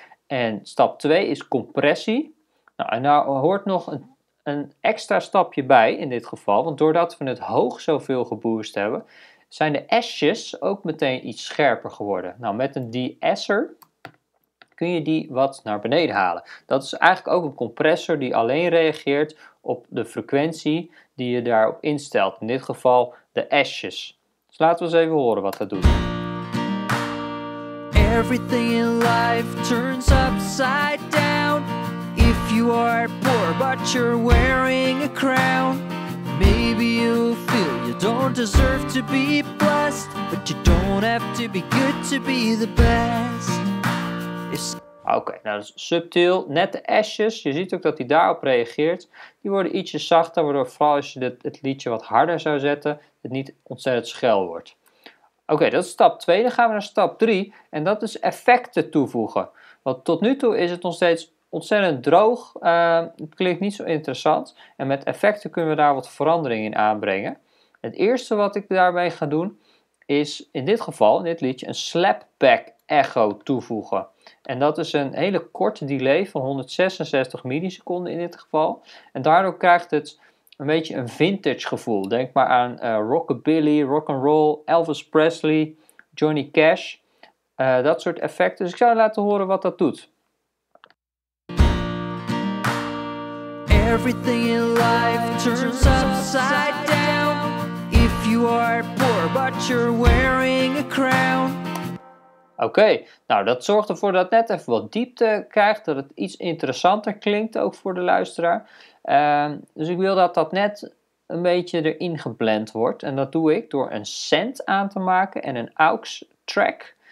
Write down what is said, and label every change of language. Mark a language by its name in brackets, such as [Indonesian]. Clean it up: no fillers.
[Dutch] En stap 2 is compressie. Nou, en daar hoort nog een extra stapje bij in dit geval, want doordat we het hoog zoveel geboost hebben, zijn de S'jes ook meteen iets scherper geworden. Nou, met een de-esser kun je die wat naar beneden halen. Dat is eigenlijk ook een compressor die alleen reageert op de frequentie die je daarop instelt. In dit geval de S'jes. Dus laten we eens even horen wat dat doet. [English] Everything in life turns upside down. If you are poor but you're wearing a crown, maybe you feel you don't deserve to be blessed, but you don't have to be good to be the best. [Dutch] Oké, nou dat is subtiel. Net de S'jes, je ziet ook dat hij daarop reageert. Die worden ietsje zachter, waardoor vooral als je het liedje wat harder zou zetten, het niet ontzettend schel wordt. Oké, dat is stap 2. Dan gaan we naar stap 3. En dat is effecten toevoegen. Want tot nu toe is het nog steeds ontzettend droog. Het klinkt niet zo interessant. En met effecten kunnen we daar wat verandering in aanbrengen. Het eerste wat ik daarmee ga doen, is in dit geval, in dit liedje, een slapback echo toevoegen. En dat is een hele korte delay van 166 milliseconden in dit geval. En daardoor krijgt het een beetje een vintage gevoel. Denk maar aan rockabilly, rock'n'roll, Elvis Presley, Johnny Cash. Dat soort effecten. Dus ik zou laten horen wat dat doet. [English] Everything in life turns upside down. If you are poor but you're wearing a crown. [Dutch] Oké, nou dat zorgt ervoor dat het net even wat diepte krijgt, dat het iets interessanter klinkt ook voor de luisteraar. Dus ik wil dat dat net een beetje erin geblend wordt. En dat doe ik door een send aan te maken en een aux track.